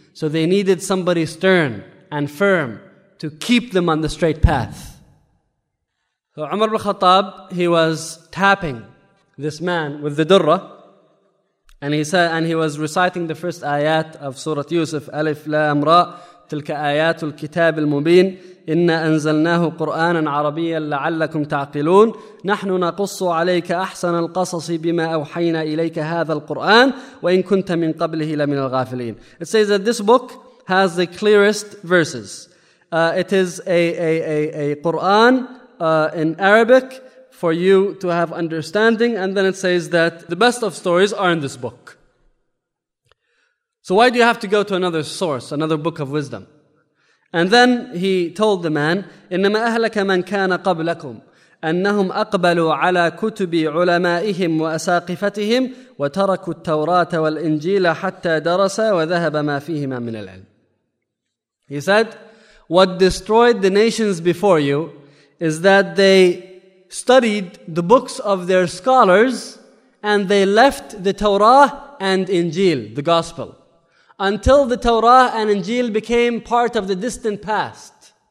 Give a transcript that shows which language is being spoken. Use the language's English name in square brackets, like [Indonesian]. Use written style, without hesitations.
[English] So they needed somebody stern and firm to keep them on the straight path. So Umar ibn al-Khattab, he was tapping this man with the durra. And he said, and he was reciting the first ayat of Surah Yusuf, Alif Lam Ra, Tilka Ayatul Kitab al-Mubin. [Arabic] إنا أنزلناه قرآنا عربيا لعلكم تعقلون نحن نقص عليك أحسن القصص بما أوحينا إليك هذا القرآن وإن كنت من قبله لمن الغافلين. [English] It says that this book has the clearest verses. It is a Quran in Arabic for you to have understanding, and then it says that the best of stories are in this book. So why do you have to go to another source, another book of wisdom? And then he told the man, [Arabic] إِنَّمَا أَهْلَكَ مَنْ كَانَ قَبْلَكُمْ أَنَّهُمْ أَقْبَلُوا عَلَىٰ كُتُبِ عُلَمَائِهِمْ وَأَسَاقِفَتِهِمْ وَتَرَكُوا التَّوْرَاةَ وَالْإِنْجِيلَ حَتَّى دَرَسَ وَذَهَبَ مَا فِيهِمَا مِنَ الْعِلْمِ. [English] He said, what destroyed the nations before you is that they studied the books of their scholars and they left the Torah and Injil, the Gospel. Until the Torah and Injil became part of the distant past.